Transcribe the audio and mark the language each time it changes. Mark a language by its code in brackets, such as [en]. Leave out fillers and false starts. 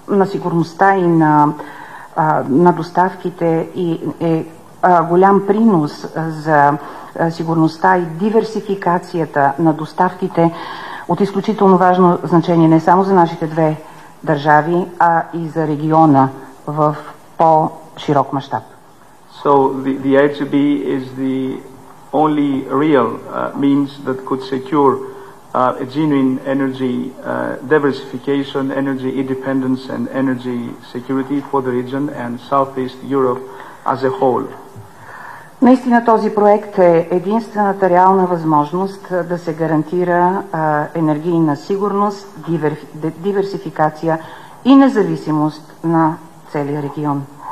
[bg] сигурността и на доставките и е голям принос за сигурността и диверсификацията на доставките от изключително важно значение не само за нашите две държави, а и за региона в по-широк мащаб. [en] So the IGB is the only real means that could secure a genuine energy diversification, energy independence and energy security for the region and Southeast Europe as a whole. [bg] Наистина този проект е единствената реална възможност да се гарантира енергийна сигурност, диверсификация и независимост на целия регион.